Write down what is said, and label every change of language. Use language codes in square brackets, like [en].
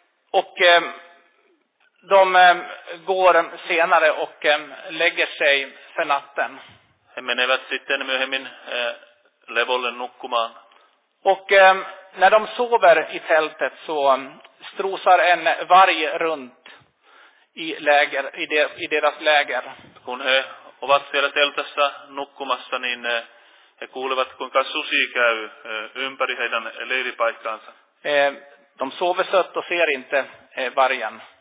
[sv] Och de går senare och lägger sig för natten. [fi] He menevät sitten myöhemmin levolle nukkumaan. [sv] Och när de sover i tältet så strosar en varg runt i deras läger. [fi] Kun he ovat siellä teltassa nukkumassa, niin he kuulevat, kuinka susi käy ympäri heidän leiripaikkaansa. [sv] De sover sött och ser inte vargen.